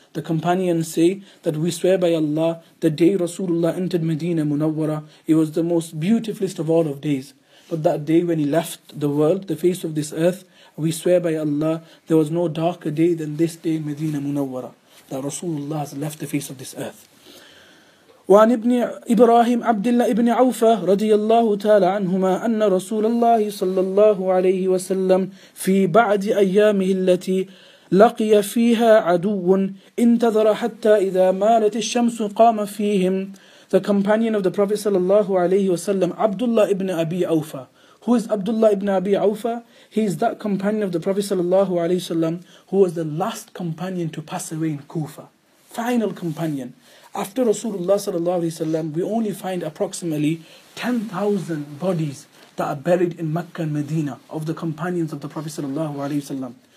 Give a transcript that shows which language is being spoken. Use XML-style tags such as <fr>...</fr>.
<en>The companions say that we swear by Allah, the day Rasulullah entered Medina Munawwara, it was the most beautifulest of all of days. But that day when he left the world, the face of this earth, we swear by Allah, there was no darker day than this day in Medina Munawwara, that Rasulullah has left the face of this earth.</en> <ar>وعن ابن إبراهيم عبد الله ابن عوفة رضي الله تعالى عنهما أن رسول الله صلى الله عليه وسلم في بعد أيامه التي لقي فيها عدو انتظر حتى إذا مالت الشمس قام فيهم.</ar> <en>The companion of the Prophet صلى الله عليه وسلم, عبد الله ابن أبي عوفة. Who is عبد الله ابن أبي عوفة? He is that companion of the Prophet صلى الله عليه وسلم who was the last companion to pass away in Kufa. Final companion. After Rasulullah sallallahu alaihi wasallam, we only find approximately 10,000 bodies that are buried in Mecca and Medina of the companions of the Prophet sallallahu alaihi wasallam.</en>